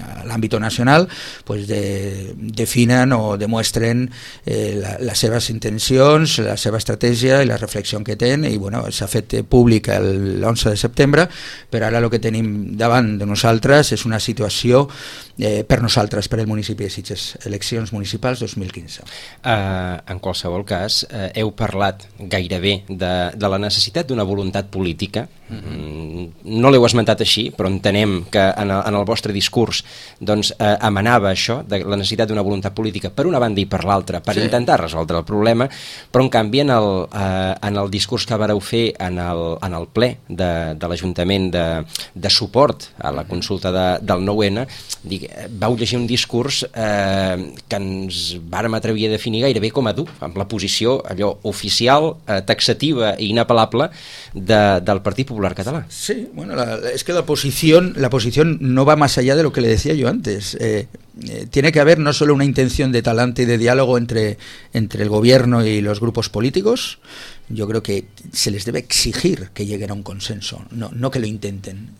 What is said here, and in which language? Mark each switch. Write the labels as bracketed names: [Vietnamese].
[Spanish] ámbito nacional, pues definan o demuestren [Catalan] las seves intencions, la seva estratègia i la reflexió que tenen, i bueno, s'ha fet pública el 11 de setembre, però ara el que tenim davant de nosaltres és una situació per nosaltres, per el municipi de Sitges, eleccions municipals 2015. En qualsevol cas, heu parlat gairebé de la necessitat d'una voluntat política. No l'heu esmentat així, però entenem que en el vostre discurs doncs emanava això, de la necessitat d'una voluntat política per una banda i per l'altra, per intentar resoldre el problema, però en canvi en el discurs que vareu fer en el ple de l'Ajuntament de suport a la consulta del 9N, vau llegir un discurs que ens vàrem atrevir a definir gairebé com a dur, amb la posició allò oficial, taxativa i inapel·lable del Partit Popular Català. [Spanish] Sí, bueno, es que la posición no va más allá de lo que le decía yo antes. Tiene que haber no solo una intención de talante y de diálogo entre el gobierno y los grupos políticos. Yo creo que se les debe exigir que lleguen a un consenso, no que lo intenten.